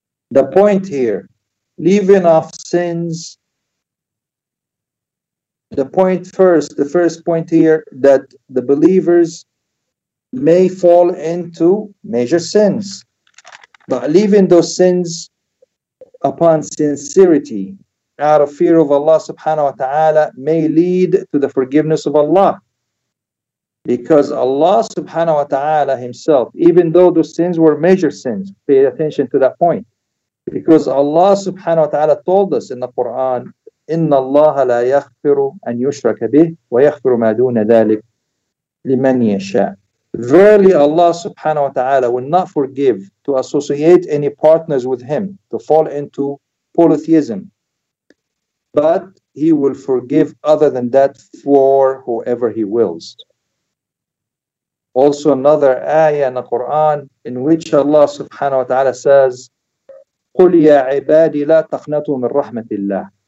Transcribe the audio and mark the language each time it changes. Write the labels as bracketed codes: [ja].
[en] The point here, leaving off sins, the first point here, that the believers may fall into major sins, but leaving those sins upon sincerity, out of fear of Allah subhanahu wa ta'ala, may lead to the forgiveness of Allah. Because Allah subhanahu wa ta'ala himself, even though those sins were major sins, pay attention to that point. Because Allah subhanahu wa ta'ala told us in the Quran, [ar] إِنَّ اللَّهَ لَا يَغْفِرُ أَنْ يُشْرَكَ بِهِ وَيَغْفِرُ مَا دُونَ ذَلِكَ لِمَنْ يَشَاءُ. [en] Verily Allah subhanahu wa ta'ala will not forgive to associate any partners with him, to fall into polytheism. But he will forgive other than that for whoever he wills. Also another ayah in the Quran in which Allah subhanahu wa ta'ala says, [ar] قُلْ يَا عِبَادِي لَا تَخْنَطُوا مِنْ رَحْمَةِ اللَّهِ.